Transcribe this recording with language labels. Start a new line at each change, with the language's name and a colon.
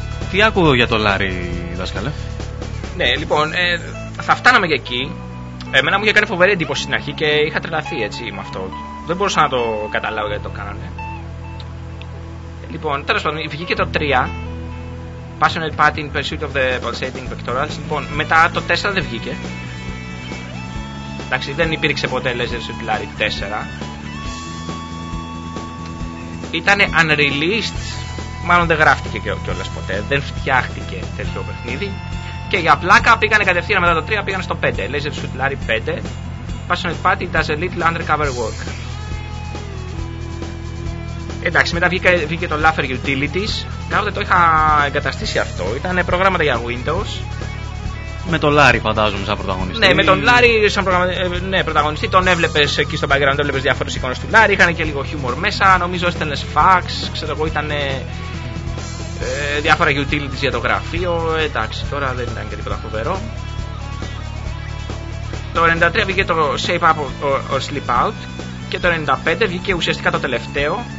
Greek: Τι άκουγα για το Λάρι, δάσκαλε? Ναι, λοιπόν, θα φτάναμε και εκεί. Εμένα μου είχε κάνει φοβερή εντύπωση στην αρχή και είχα τρελαθεί έτσι με αυτό. Δεν μπορούσα να το καταλάβω γιατί το κάνανε. Λοιπόν, τέλος πάντων, βγήκε το 3.
English: Passionate Party in Pursuit of the Pulsating Pectorals.
Greek: Λοιπόν, μετά το 4 δεν βγήκε. Εντάξει, δεν υπήρξε ποτέ Laser Shot Larry 4. ήταν unreleased, μάλλον δεν γράφτηκε κιόλας ποτέ, δεν φτιάχτηκε τέτοιο παιχνίδι. Και για πλάκα πήγανε κατευθείαν μετά το 3, πήγανε στο 5.
English: Laser Shooter 5. Passionate Party does a little undercover work.
Greek: Εντάξει, μετά βγήκε το Laffer Utilities. Κάποτε το είχα εγκαταστήσει αυτό. Ήταν προγράμματα για Windows. Με τον Λάρι, φαντάζομαι, σαν πρωταγωνιστή. Ναι, με τον Λάρι σαν πρωταγωνιστή. Τον έβλεπες εκεί στο background, τον έβλεπες διάφορες εικόνες του Λάρι. Είχαν και λίγο χιούμορ μέσα. Νομίζω έστελνες fax. Ξέρω εγώ, ήταν διάφορα utilities για το γραφείο. Εντάξει, τώρα δεν ήταν και τίποτα φοβερό. Το 93 βγήκε το Shape Up or Sleep Out. Και το 95 βγήκε ουσιαστικά το τελευταίο,